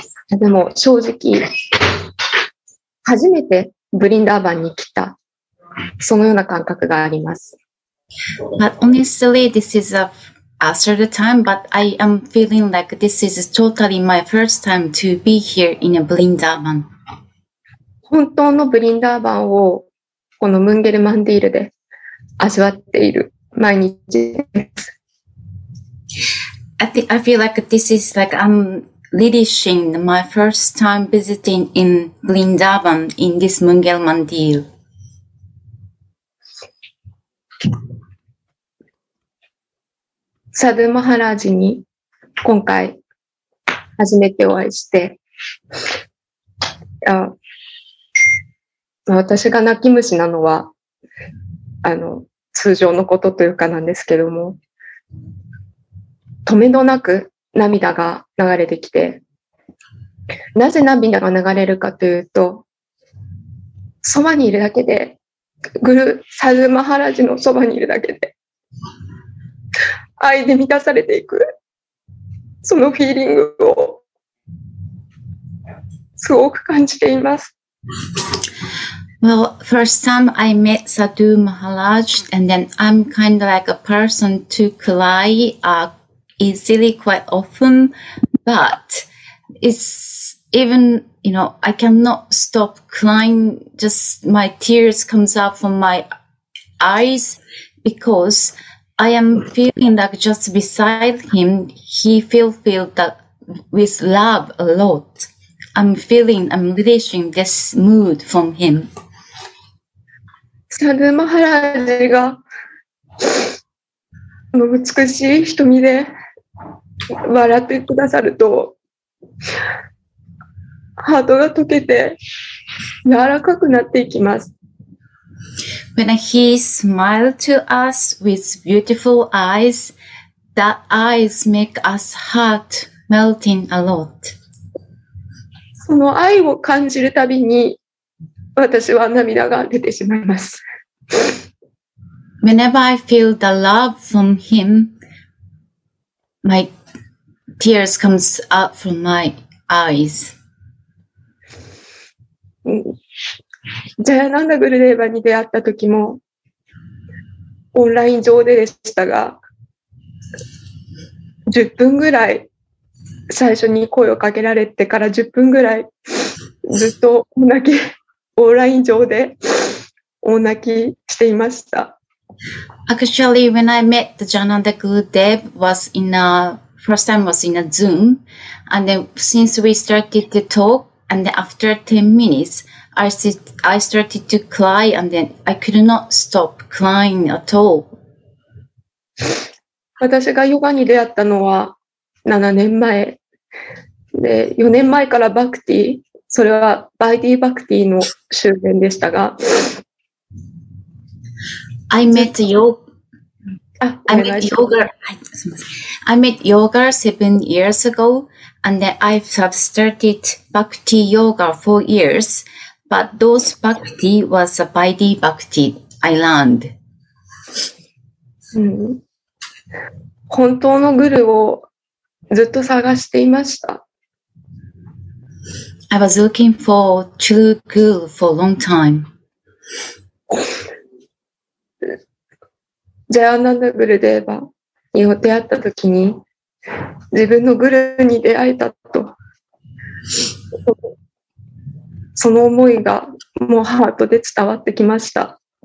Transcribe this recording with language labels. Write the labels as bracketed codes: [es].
[ja] でも正直初めてブリンダーバンに来た、そのような感覚があります。 [en] But honestly, this is a third time, but I am feeling like this is totally my first time to be here in a ブリンダーバン。 [ja] 本当のブリンダーバンをこのムンゲルマンディールで味わっている毎日です。 [en] I feel like this is like I'm leadishing my first time visiting in Vrindavan in this Mungel Mandir. [ja] サブマハラージに今回初めてお会いして、私が泣き虫なのは通常のことというかなんですけども、止めどなく涙が流れてきて、なぜ涙が流れるかというと、そばにいるだけで、グルサルマハラジのそばにいるだけで愛で満たされていく、そのフィーリングをすごく感じています。 [en] Well, first time I met Sadhu Maharaj, and then I'm kind of like a person to cry easily quite often, but it's even, you know, I cannot stop crying, just my tears comes out from my eyes because I am feeling like just beside him, he feels filled with love a lot. I'm releasing this mood from him. [ja] サドゥマハラジが美しい瞳で笑ってくださると、ハートが溶けて柔らかくなっていきます。 [en] When he smiled to us with beautiful eyes, that eyes make us heart melting a lot. [ja] その愛を感じるたびに私は涙が出てしまいます。 [en] Whenever I feel the love from him, my tears come up from my eyes. [ja] ジャヤナンダグルデーバに出会った時もオンライン上ででしたが、10分ぐらい最初に声をかけられてから10分ぐらいずっと泣き、オンライン上で大泣きしていました。 [en] Actually, when I met the Jananda Gurudev was in a first time was in a Zoom, and then since we started to talk, and then after 10 minutes I started to cry, and then I could not stop crying at all. [ja] 私がヨガに出会ったのは7年前で、4年前からバクティ、それはバイディバクティの修練でしたが、 [en] I met yoga 7 years ago, and then I have started bhakti yoga 4 years, but those bhakti was a Bhakti bhakti I learned. [ja] 本当のグルをずっと探していました。 [en] I was looking for true guru for a long time. [ja] ジャーナンダグルデーバに出会ったときに自分のグルに出会えたと、その思いがもうハートで伝わってきました。